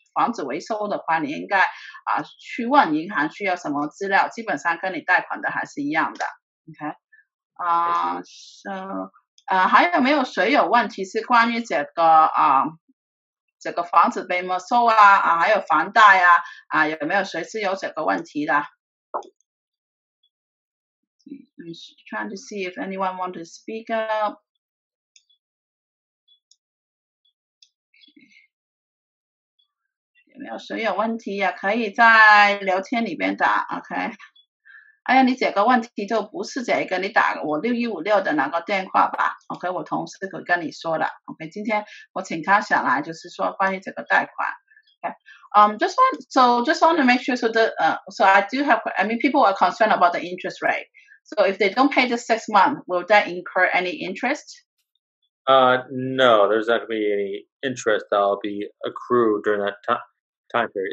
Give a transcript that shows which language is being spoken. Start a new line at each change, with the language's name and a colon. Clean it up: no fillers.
Chinese: 房子维修的话，你应该去问银行需要什么资料，基本上跟你贷款的还是一样的。 OK， 还有没有谁有问题是关于这个这个房子被没收还有房贷有没有谁是有这个问题的？
English: I'm trying to see if anyone want to speak up. Okay.
Chinese: 有没有谁有问题呀、可以在聊天里面打 OK。哎呀，你这个问题就不是这个，你打我6156的那个电话吧。 OK， 我同事会跟你说的。OK， 今天我请他下来，就是说关于这个贷款。
English: OK，just want to make sure I mean, people are concerned about the interest rate. So if they don't pay the 6 months, will that incur any interest? No, there's not going to be any interest that will be accrued during that time period.